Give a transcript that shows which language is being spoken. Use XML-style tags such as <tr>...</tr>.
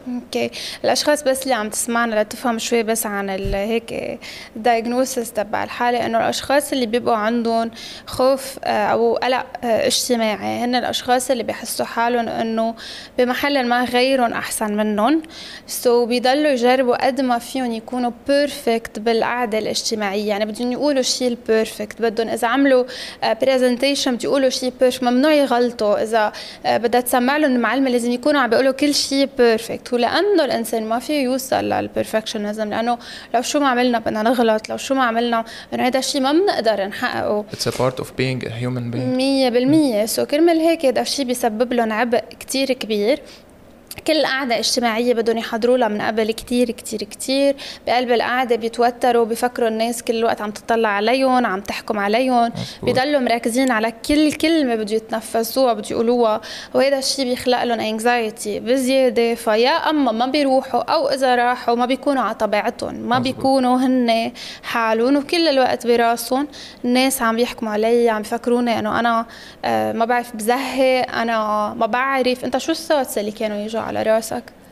<ar>أوكي الأشخاص بس اللي عم تسمعنا لتفهم شوي بس عن هيك الدياجنوسيس تبع الحالة إنه الأشخاص اللي بيبقوا عندهم خوف أو قلق اجتماعي هن الأشخاص اللي بيحسوا حالهم إنه بمحل ما غيرهم أحسن منهم سو بيضلوا يجربوا قد ما فيهم يكونوا بيرفكت بالقعدة الاجتماعية يعني بدهم يقولوا شيء البيرفكت بدهم إذا عملوا برزنتيشن بتقولوا شيء بيرفكت ممنوع يغلطوا اذا بدها تسمع لهم المعلمه لازم يكونوا عم بيقولوا كل شيء بيرفكت ولانه الانسان ما فيه يوصل للبرفكشنزم لانه لو شو ما عملنا بدنا نغلط لو شو ما عملنا انه هذا الشيء ما بنقدر نحققه</ar> <en>it's a part of being a human being</en> <ar>100% سو كرمال هيك هذا الشيء بيسبب لهم عبء كتير كبير كل قاعدة اجتماعية بدون يحضروا لها من قبل كتير كتير كتير بقلب القاعدة بيتوتروا بيفكروا الناس كل الوقت عم تطلع عليهم عم تحكم عليهم بيضلوا مركزين على كل كلمة بدو يتنفسوها بدو يقولوها وهذا الشيء بيخلق لهم anxiety بزيادة فيا أما ما بيروحوا أو إذا راحوا ما بيكونوا على طبيعتهم ما بيكونوا هن حالون وكل الوقت براسهم الناس عم بيحكموا علي عم بيفكروني أنه أنا ما بعرف بزهي أنا ما بعرف أنت شو الصوت اللي كانوا يجوا على رأسك</ar>